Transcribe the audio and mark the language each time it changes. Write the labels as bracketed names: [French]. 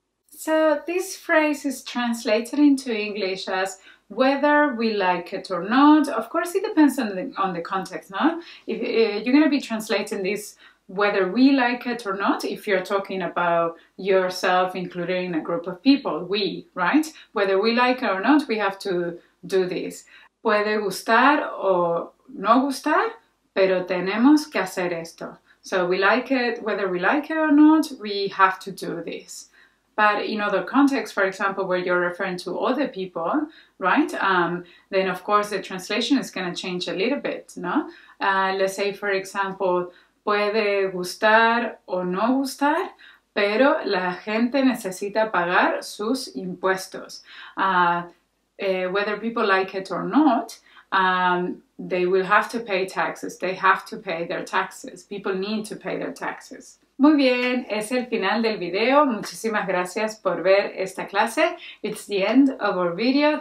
[English] So this phrase is translated into English as whether we like it or not. Of course, it depends on the context, no? If you're going to be translating this whether we like it or not, if you're talking about yourself, including a group of people, we, right? Whether we like it or not, we have to do this. [Spanish] Puede gustar o no gustar, pero tenemos que hacer esto. [English] So we like it, whether we like it or not, we have to do this. But in other contexts, for example, where you're referring to other people, right? Then of course the translation is going to change a little bit, no? Let's say, for example, [Spanish] puede gustar o no gustar, pero la gente necesita pagar sus impuestos. [English] Whether people like it or not, they will have to pay taxes. They have to pay their taxes. People need to pay their taxes. [Spanish] Muy bien, es el final del video. Muchísimas gracias por ver esta clase. [English] It's the end of our video.